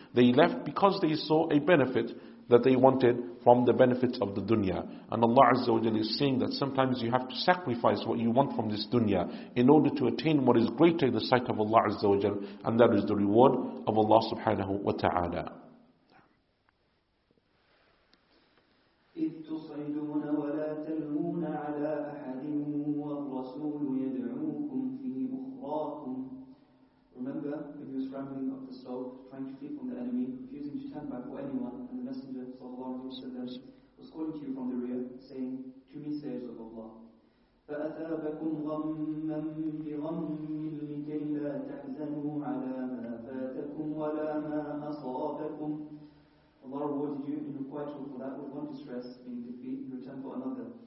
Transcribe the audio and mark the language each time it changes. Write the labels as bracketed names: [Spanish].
[English] They left because they saw a benefit that they wanted from the benefits of the dunya. And Allah Azza wa Jalla is saying that sometimes you have to sacrifice what you want from this dunya in order to attain what is greater in the sight of Allah Azza wa Jalla, and that is the reward of Allah subhanahu wa ta'ala. [Arabic] إذ تصعدون ولا تلوون على أحد والرسول يدعوكم في أخراكم. [English] Remember when he was scrambling up the slope, trying to flee from the enemy, refusing to turn back for anyone, and the Messenger sallallahu alaihi wasallam was calling to you from the rear, saying, "To me, slaves of Allah." [Arabic] فأثابكم غمّا بغمّ لكي لا تحزنوا على ما فاتكم ولا ما أصابكم. [English] Allah rewarded you in requital for that with one distress, being defeat, and return for another.